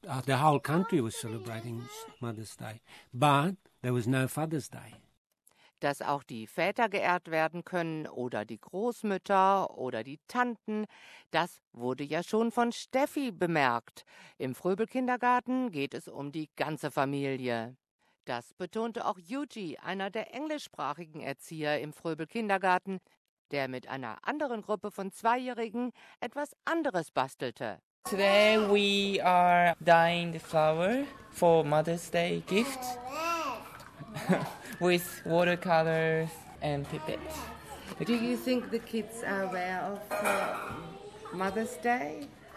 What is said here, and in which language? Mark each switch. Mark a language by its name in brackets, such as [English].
[English] The whole country was celebrating Mother's Day, but there was no Father's Day. [German] Dass auch die Väter geehrt werden können oder die Großmütter oder die Tanten, das wurde ja schon von Steffi bemerkt. Im Fröbel-Kindergarten geht es um die ganze Familie. Das betonte auch Yuji, einer der englischsprachigen Erzieher im Fröbel-Kindergarten, der mit einer anderen Gruppe von Zweijährigen etwas anderes bastelte. [English] Today we are dyeing the flower for Mother's Day gift with watercolors and pipettes. Do you think the kids are aware of Mother's Day?